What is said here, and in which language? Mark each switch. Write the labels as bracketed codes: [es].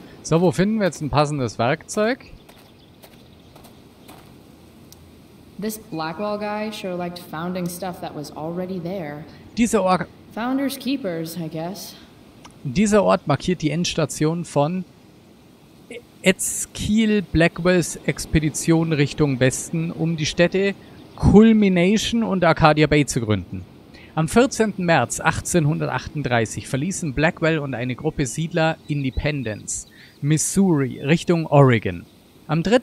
[de] So, wo finden wir jetzt ein passendes Werkzeug? [en] This Blackwall guy sure liked founding stuff that was already there. [de] Dieser Ort. [en] Founders Keepers, I guess. [de] Dieser Ort markiert die Endstation von Ezekiel Blackwells Expedition Richtung Westen, um die Städte Culmination und Arcadia Bay zu gründen. Am 14. März 1838 verließen Blackwell und eine Gruppe Siedler Independence, Missouri, Richtung Oregon. Am 3.